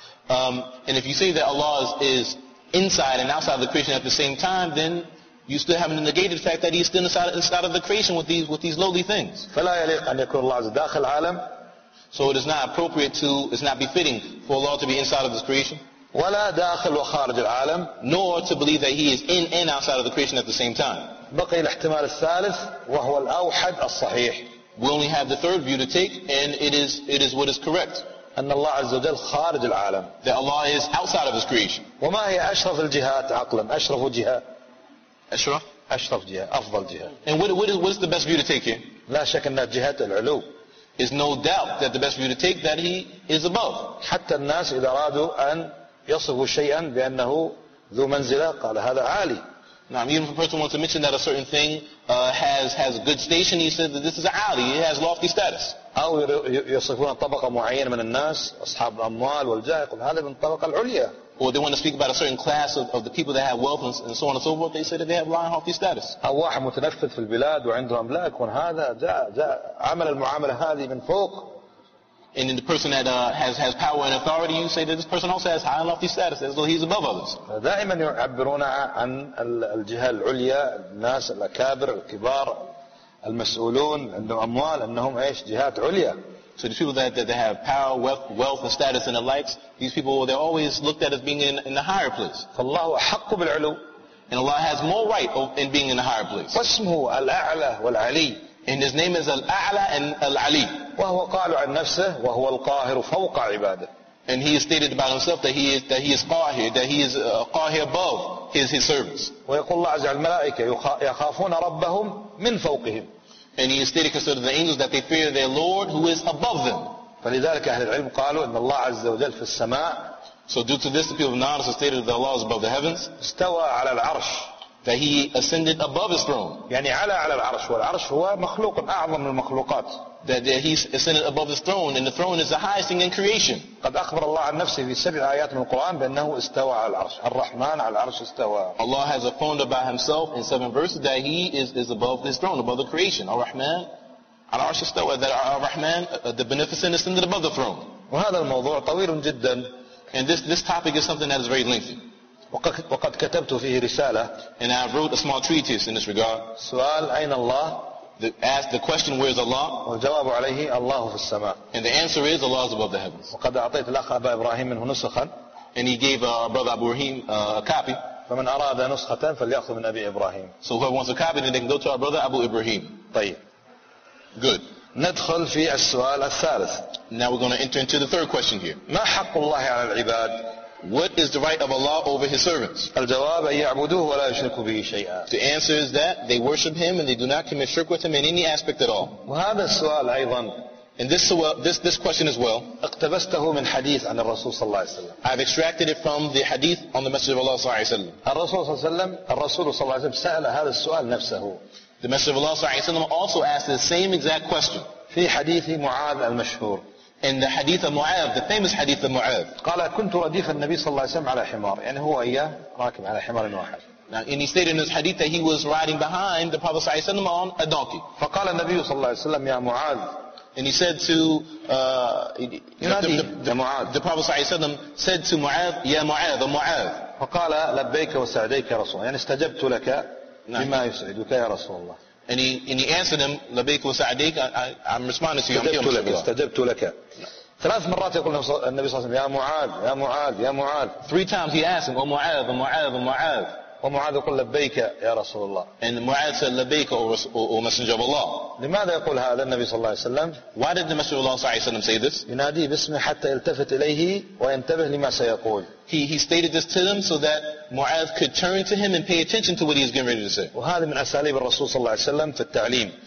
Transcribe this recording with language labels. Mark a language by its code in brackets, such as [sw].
[en] And if you say that Allah is inside and outside of the creation at the same time, then you still haven't negated the fact that He's still inside of the creation with these lowly things. [ar] فلا يليق أن يكون الله داخل العالم. [en] So it is not appropriate to, it's not befitting for Allah to be inside of this creation. [ar] ولا داخل وخارج العالم. [en] Nor to believe that He is in and outside of the creation at the same time. [ar] بقي الاحتمال الثالث وهو الأوحد الصحيح. [en] We only have the third view to take, and it is what is correct. [ar] أن الله عز وجل خارج العالم. [en] That Allah is outside of His creation. [ar] وما هي أشرف الجهات عقلا؟ أشرف جهة. أشرف. أشرف جهة. أفضل جهة. [en] And what is the best view to take here? [ar] لا شك أن جهة العلو. [en] Is no doubt that the best view to take that He is above. [ar] حتى الناس إذا أرادوا أن يصفوا شيئا بأنه ذو منزلة قال هذا عالي. [en] Now, even if a person wants to mention that a certain thing has a good station, he said that this is a ali, it has lofty status. [ar] أو يصفون طبقة معينة من الناس أصحاب الأموال والجاه يقول هذا من الطبقة العليا. [en] Or they want to speak about a certain class of the people that have wealth and so on and so forth, they say that they have lying lofty status. [ar] أو واحد متنفذ في البلاد وعنده أملاك يكون هذا جاء عمل المعاملة هذه من فوق. [en] And then the person that has power and authority, you say that this person also has high and lofty status, as though he's above others. [ar] دائما يعبرون عن الجهة العليا الناس الأكابر الكبار المسؤولون عندهم أموال أنهم إيش جهات عليا. [en] So these people that they have power, wealth, and status and the likes, these people, they're always looked at as being in the higher place. [ar] فالله أحق بالعلو. [en] And Allah has more right in being in the higher place. [ar] واسمه الأعلى والعلي. [en] And His name is الأعلى and العلي. [ar] وهو قال عن نفسه وهو القاهر فوق عباده. [en] And he has stated about himself that he is قاهر, that he is قاهر above his servants. [ar] ويقول الله عز وجل الملائكة يخافون ربهم من فوقهم. [en] And he has stated concerning the angels that they fear their Lord who is above them. [ar] فلذلك أهل العلم قالوا إن الله عز وجل في السماء. [en] So due to this, the people of knowledge have stated that Allah is above the heavens. [ar] استوى على العرش. That He ascended above His throne. يعني على العرش. والعرش هو مخلوق أعظم المخلوقات. [en] That He ascended above His throne, and the throne is the highest thing in creation. [ar] قد أخبر الله عن نفسه في سبع آيات من القرآن بأنه استوى على العرش. الرحمن على العرش استوى. [en] Allah has affirmed about Himself in seven verses that He is above His throne, above the creation. [ar] الرحمن على العرش استوى. [en] That الرحمن, the beneficent, ascended above the throne. [ar] وهذا الموضوع طويل جدا. [en] And this topic is something that is very lengthy. [ar] وقد كتبت فيه رسالة. [en] And I wrote a small treatise in this regard. [ar] سؤال أين الله؟ [en] Ask the question, where is Allah? [ar] والجواب عليه الله في السماء. [en] And the answer is Allah is above the heavens. [ar] وقد أعطيت الأخ أبا إبراهيم منه نسخا. [en] And he gave brother Abu Rahim a copy. [ar] فمن أراد نسخة فليأخذ من أبي إبراهيم. [en] So whoever wants a copy, then they can go to our brother Abu Ibrahim. [ar] طيب. [en] Good. [ar] ندخل في السؤال الثالث. [en] Now we're going to enter into the third question here. [ar] ما حق الله على العباد؟ [en] What is the right of Allah over His servants? [ar] الجواب أن يعبدوه ولا يشركوا به شيئا. [en] The answer is that they worship Him and they do not commit shirk with Him in any aspect at all. [ar] وهذا السؤال أيضا. [en] And this question as well. [ar] اقتبسته من حديث عن الرسول صلى الله عليه وسلم. [en] I've extracted it from the hadith on the Messenger of Allah صلى الله عليه وسلم. [ar] الرسول صلى الله عليه وسلم سأل هذا السؤال نفسه. [en] The Messenger of Allah صلى الله عليه وسلم also asked the same exact question. [ar] في حديث معاذ المشهور. [en] In the hadith of Mu'adh, the famous hadith of Mu'adh. [ar] قال كنت رديف النبي صلى الله عليه وسلم على حمار. يعني هو إياه راكب على حمار واحد. [en] Now, and he stated in his hadith that he was riding behind the Prophet صلى الله عليه وسلم on a donkey. [ar] فقال النبي صلى الله عليه وسلم يا معاذ. [en] And he said to the Prophet صلى الله عليه وسلم said to Mu'adh, [ar] يا معاذ أو معاذ. فقال لبيك وسعديك يا رسول. يعني استجبت لك بما يسعدك يا رسول الله. [en] And he answered him, [ar] لبيك وسعديك, [en] I'm responding to you. [ar] استجبت لك. ثلاث مرات يقول النبي صلى الله عليه وسلم يا معاذ يا معاذ يا معاذ. [en] Three times he asked him, oh معاذ, oh معاذ, oh معاذ. [ar] ومعاذ يقول لبيك يا رسول الله. [en] And معاذ said لبيك أو messenger of Allah. [ar] لماذا يقول هذا النبي صلى الله عليه وسلم؟ [en] Why did the messenger of Allah صلى الله عليه وسلم say this؟ [ar] ينادي باسمه حتى يلتفت إليه وينتبه لما سيقول. [en] He stated this to them so that معاذ could turn to him and pay attention to what he is getting ready to say. [ar] وهذا من أساليب الرسول صلى الله عليه وسلم في التعليم.